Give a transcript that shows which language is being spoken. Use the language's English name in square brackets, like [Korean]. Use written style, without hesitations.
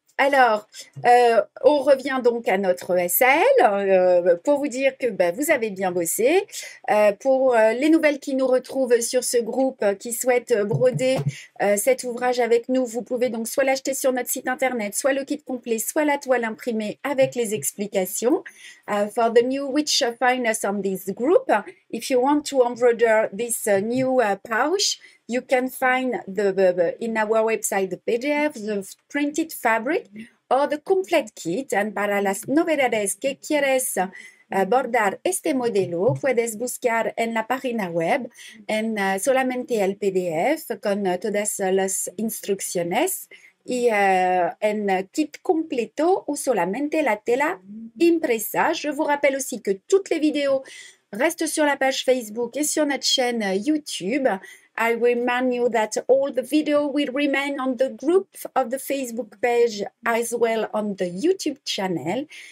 [French] Alors, on revient donc à notre SAL pour vous dire que vous avez bien bossé. Pour les nouvelles qui nous retrouvent sur ce groupe, qui souhaitent broder cet ouvrage avec nous, vous pouvez donc soit l'acheter sur notre site internet, soit le kit complet, soit la toile imprimée avec les explications. [English] For the new witch, find us on this group. If you want to embroider this new pouch, you can find in our website the PDF, the printed fabric, or the complete kit. [Spanish] And para las novedades que quieres bordar este modelo, puedes buscar en la página web en solamente el PDF con todas las instrucciones y en kit completo o solamente la tela impresa. [French] Je vous rappelle aussi que toutes les vidéos restent sur la page Facebook et sur notre chaîne YouTube. [English] I remind you that all the video will remain on the group of the Facebook page as well on the YouTube channel.